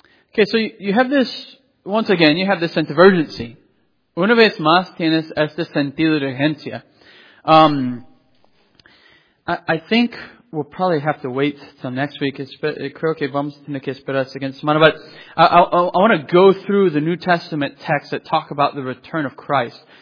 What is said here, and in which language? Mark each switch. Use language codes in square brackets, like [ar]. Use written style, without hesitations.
[en] Okay, so you have this, once again, you have this sense of urgency. [es] Una vez más tienes este sentido de urgencia. [en] I think we'll probably have to wait till next week. [es] Creo que vamos a tener que esperar la siguiente semana. [en] But I want to go through the New Testament texts that talk about the return of Christ.